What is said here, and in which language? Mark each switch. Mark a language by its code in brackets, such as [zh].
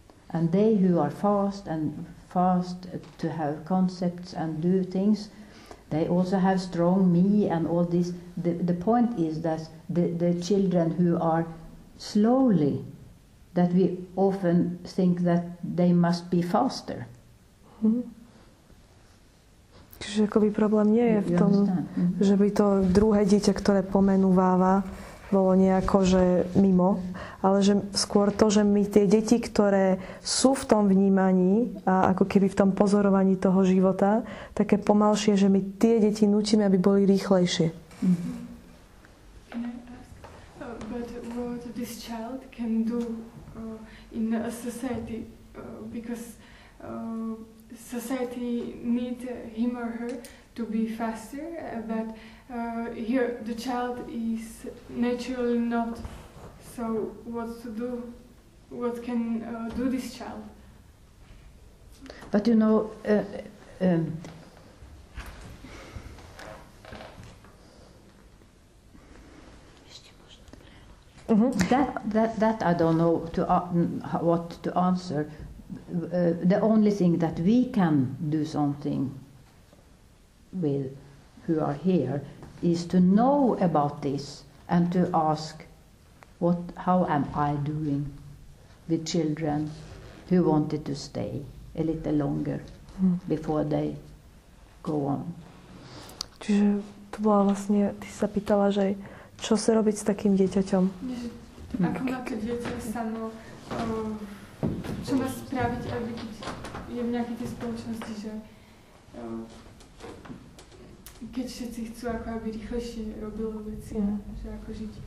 [en] And they who are fast to have concepts and do things. They also have strong me and all this. The point is that the children who are slowly, that we often think that they must be faster. Mm-hmm. [sk] Čiže akoby problém nie je v tom, že by to druhé dieťa, ktoré pomenúváva, bolo nejako, že mimo, ale že skôr to, že my tie deti, ktoré sú v tom vnímaní a ako keby v tom pozorovaní toho života, také pomalšie, že my tie deti nutíme, aby boli rýchlejšie. [en] Can I ask, but what this child can do in a society, because society needs him or her to be faster, but here the child is naturally not, so what to do, what can do this child? But you know, that I don't know to what to answer. The only thing that we can do something with who are here is to know about this and to ask, what, how am I doing with children who wanted to stay a little longer before they go on. [sk] Čiže to bola vlastne, ty sa pýtala, že čo sa robiť s takým dieťaťom? Ako na to dieťa samo, čo má spraviť, aby keď je v nejakej tej spoločnosti, že keď všetci chcú, ako aby rýchlejšie robilo veci, že ako žiť.